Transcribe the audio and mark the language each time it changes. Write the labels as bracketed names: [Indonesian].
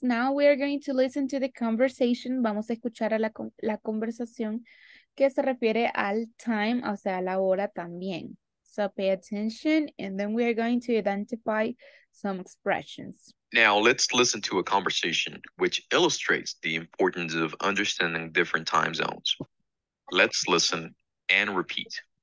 [English] Now we are going to listen to the conversation. [Spanish] Vamos a escuchar a la conversación que se refiere al time, o sea, a la hora también. [English] So pay attention, and then we are going to identify some expressions. Now let's listen to a conversation which illustrates the importance of understanding different time zones. Let's listen and repeat.